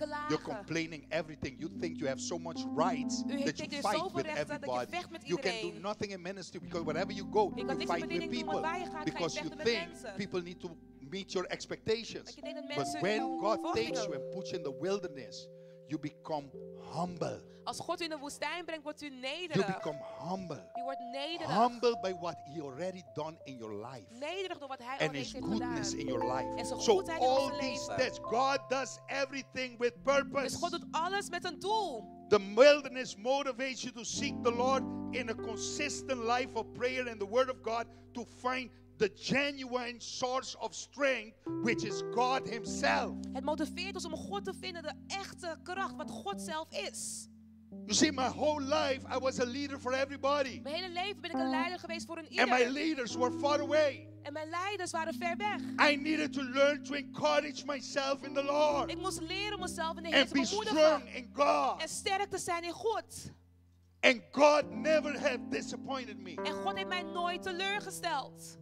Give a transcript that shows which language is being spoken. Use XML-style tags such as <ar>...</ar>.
<en>You're complaining everything. You think you have so much rights that you fight with everybody. You can do nothing in ministry, because wherever you go, you fight with people, because you think people need to meet your expectations. But when God takes you and puts you in the wilderness, you become humble.</en> <nl>Als God u in de woestijn brengt, wordt u nederig.</nl> <en>You become humble.</en> <nl>U wordt nederig.</nl> <en>Humble by what He already done in your life.</en> <nl>Nederig door wat Hij al heeft gedaan.</nl> <en>And His goodness</en> <nl>gedaan.</nl> <en>In your life.</en> <nl>En zijn</nl> <en>so</en> <nl>goedheid</nl> <en>all</en> <nl>in ons leven.</nl> <en>These steps, God does everything with purpose.</en> <nl>Dus God doet alles met een doel.</nl> <en>The wilderness motivates you to seek the Lord in a consistent life of prayer and the Word of God to find the genuine source of strength, which is God Himself.</en> <nl>Het motiveert ons om God te vinden, de echte kracht wat God zelf is.</nl> <en>You see, my whole life I was a leader for everybody.</en> <nl>Mijn hele leven ben ik een leider geweest voor een ieder.</nl> <en>And my leaders were far away.</en> <nl>En mijn leiders waren ver weg.</nl> <en>I needed to learn to encourage myself in the Lord.</en> <nl>Ik moest leren mezelf in de Heer te bemoedigen.</nl> <en>And be strong in God.</en> <nl>En sterk te zijn in God.</nl> <en>And God never had disappointed me.</en> <nl>En God heeft mij nooit teleurgesteld.</nl>